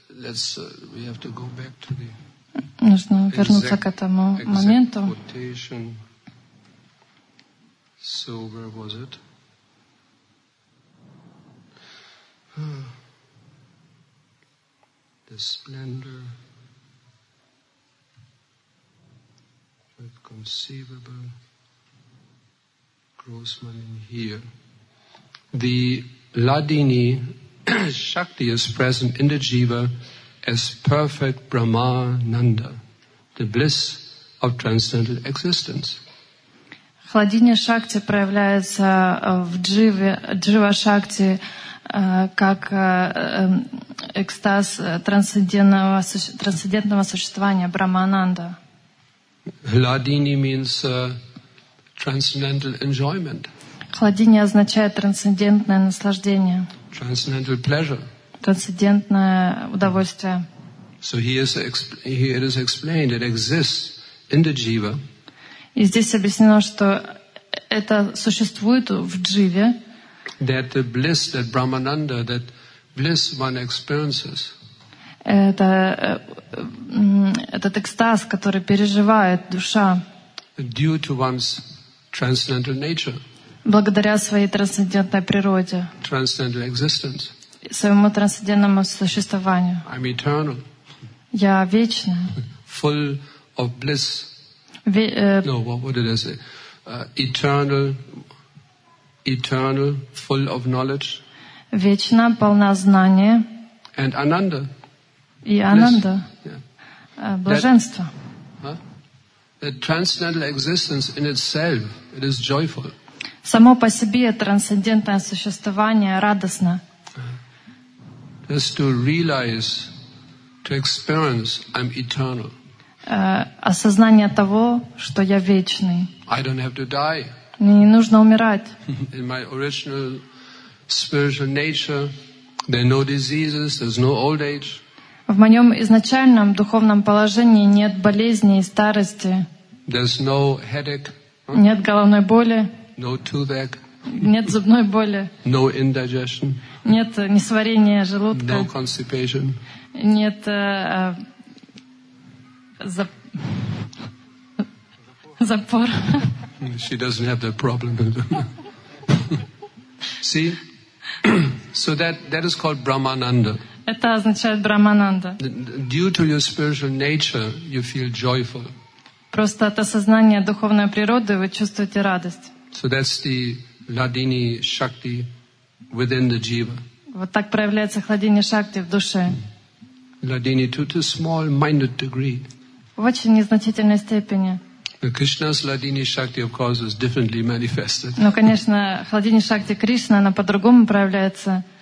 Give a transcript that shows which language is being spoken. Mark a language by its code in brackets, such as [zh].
[en] Let's, we have to go back to the [ru] нужно вернуться к этому моменту. [en] Quotation. So where was it? The splendor with conceivable gross money here. The Ladini Shakti is present in the Jiva as perfect Brahmananda, the bliss of transcendental existence. [ru] Хладини Шакти проявляется в Джива Шакти как экстаз трансцендентного существования Брахмананда. [en] Хладини means transcendental enjoyment. [ru] Хладини означает трансцендентное наслаждение. [en] Transcendental pleasure. [ru] Трансцендентное удовольствие. [en] So here it is explained it exists in the jiva. [ru] И здесь объяснено, что это существует в дживе. [en] That the bliss, that Brahmananda, that bliss one experiences. [ru] Этот экстаз, который переживает душа. [en] Due to one's transcendental nature. [ru] Благодаря своей трансцендентной природе. [en] Transcendental existence. [ru] Своему трансцендентному существованию. [en] I'm eternal. [ru] Я вечная. [en] Full of bliss. No, what did I say? Eternal, full of knowledge. [ru] Вечно полна знания. [en] And Ananda. [ru] И Ананда. Блаженство. [en] That transcendental existence in itself, it is joyful. [ru] Само по себе трансцендентное существование радостно. [en] Just to realize, to experience, I'm eternal. [ru] Осознание того, что я вечный. [en] I don't have to die. [ru] Не нужно умирать. [en] In my original spiritual nature, there are no diseases, there's no old age. [ru] В моем изначальном духовном положении нет болезней и старости. [en] There's no headache. [ru] Нет головной боли. [en] No toothache. [ru] Нет зубной боли. [en] No indigestion. [ru] Нет несварения желудка. [en] No constipation. [ru] Нет запор. [en] She doesn't have that problem. See? So that is called Brahmananda. [ru] Это означает Брахмананда. [en] Due to your spiritual nature, you feel joyful. [ru] Просто от осознания духовной природы вы чувствуете радость. [en] So that's the Ladini Shakti within the Jiva. [ru] Вот так проявляется Хладини Шакти в душе. [en] Ladini to a small minded degree. [ru] В очень незначительной степени. [en] Krishna's Ladini Shakti, of course, is differently manifested. [ru] Но, конечно, Хладини Шакти Кришны, она по-другому проявляется.